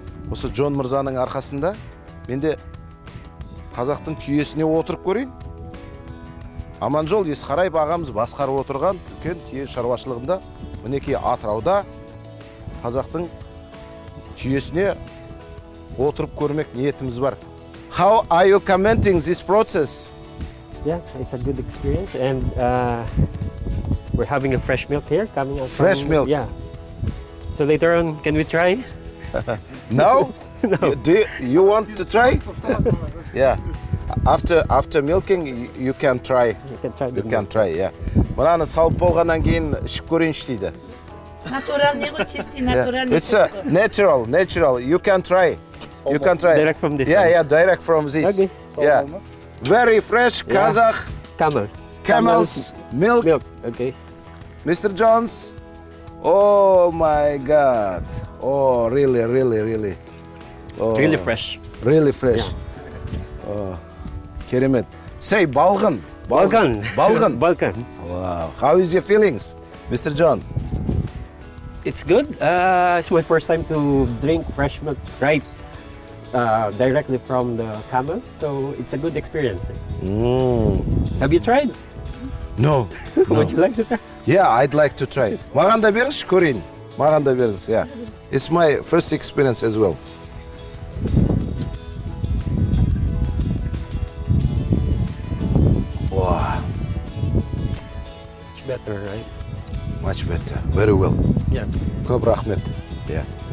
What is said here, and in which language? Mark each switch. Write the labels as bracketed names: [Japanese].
[Kazakh] Осы Джон мырзаның арқасында мен де қазақтың түйесіне отырып көрейін. Аманжол Есқараев ағамыз басқарып отырған үлкен түйе шаруашылығында, мінекей Атырауда қазақтың түйесіне отырып көрмек ниетіміз бар. [English] How are you commenting this process? Yeah, it's a good experience, and we're having a fresh milk here coming out. Fresh from, milk. Yeah. So later on, can we try? No. No. Do you want to try? Yeah. After milking, you can try. You can try. You can milk. Try. Yeah. [Kazakh] Мынаны салып болғаннан кейін ішіп көрейінші дейді. [English] Natural, it's a natural. You can try. You can try. Direct from this. Yeah, direct from this. Okay. Yeah. Very fresh Kazakh camel. Camel's milk. Milk. Okay. Mr. Jones. Oh my God. Oh, really, really, really. Oh. Really fresh. Really fresh. Yeah. Oh. [Kazakh] Керемет. [English] Say balgan. Balgan. Balgan. Balgan. Wow. How is your feelings, Mr. John? It's good. It's my first time to drink fresh milk right directly from the camel, so it's a good experience. Have you tried? No. Would you like to try? Yeah, I'd like to try. [Kazakh] Маған да беріңіз, көрейін. Маған да беріңіз, [English] yeah. It's my first experience as well. Wow. Much better, right? Much better. Very well. Yeah. [Kazakh] Көп рахмет. [English] Yeah.